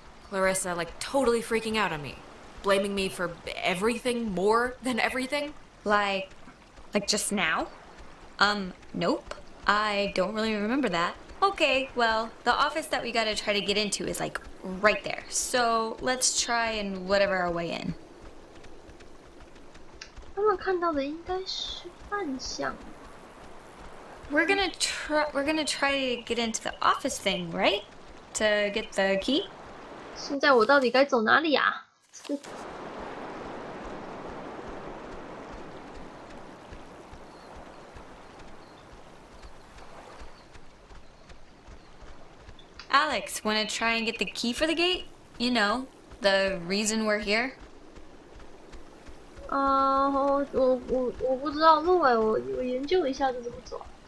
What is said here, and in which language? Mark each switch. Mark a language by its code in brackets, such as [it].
[en] Clarissa, like, totally freaking out on me. Blaming me for everything more than everything? Like just now? Nope. I don't really remember that. Okay, well, the office that we gotta try to get into is, like, right there. So, let's try and whatever our way in. [zh] 他们看到的应该是幻象。 [en] We're gonna try to get into the office thing, right? To get the key? [zh] 现在我到底该走哪里啊? [en] Alex, wanna try and get the key for the gate? You know, the reason we're here? [zh] 我不知道路，我研究一下这怎么走。